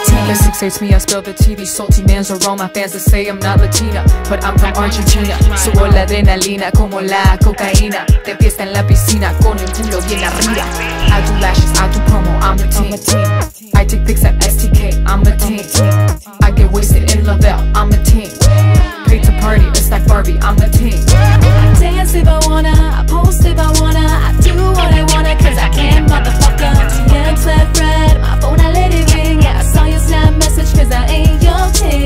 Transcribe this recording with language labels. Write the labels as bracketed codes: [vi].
[en] The six hates me, I spill the tea. These salty mans are all my fans that say I'm not Latina, but I'm from Argentina. [es] Subo la adrenalina como la cocaína. De fiesta en la piscina con el culo bien arriba. [en] I do lashes, I do promo, I'm a teen. I take pics at STK, I'm a teen. I get wasted in Lavelle, I'm a teen. Pay to party, it's like Barbie, I'm a teen. I dance if I wanna, I post if I wanna, I do what I wanna, cause I can, motherfucker. DMs left red, my phone I let it ring. Yeah, I saw your snap message, cause I ain't your ting.